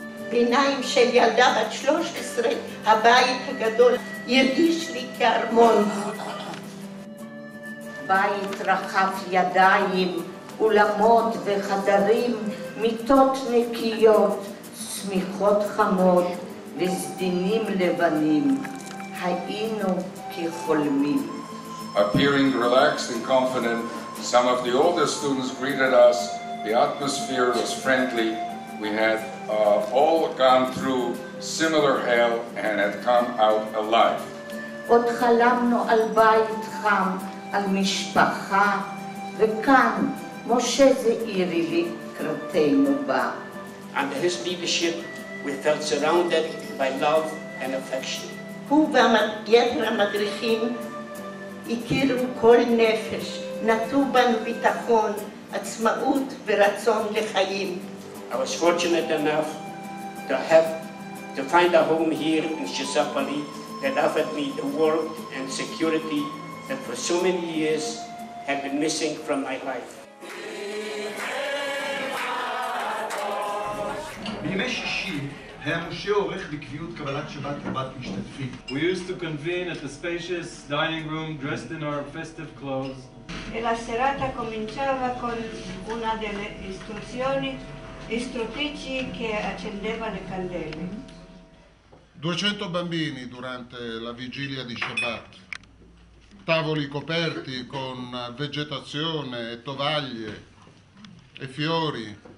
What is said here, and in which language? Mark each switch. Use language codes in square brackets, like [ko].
[he] ביניים של ילדה בת 13, הבית הגדול הרגיש לי כארמון. בית רחב ידיים, אולמות וחדרים, מיטות נקיות, שמיכות חמות וסדינים לבנים. היינו כחולמים. [en] Appearing relaxed and confident, some of the older students greeted us. The atmosphere was friendly. We had all gone through similar hell and had come out alive. [he] עוד חלמנו על בית חם, על משפחה, וכאן משה זעירי לקראתנו בא. [en] Under his leadership, we felt surrounded by love and affection. [he] הוא ויתר המדריכים הכירו כל נפש, נתנו בנו ביטחון, עצמאות ורצון לחיים. [en] I was fortunate enough to find a home here in Sciesopoli that offered me the warmth and security that for so many years had been missing from my life. [he] בימי שישי היה משה עורך בקביעות קבלת שבת רבת משתתפים. [en] We used to convene at the spacious dining room dressed in our festive clothes. [it] La serata cominciava con una delle istruzioni istruttrici che accendeva le candele. 200 bambini durante la vigilia di Shabbat. Tavoli coperti con vegetazione e tovaglie e fiori.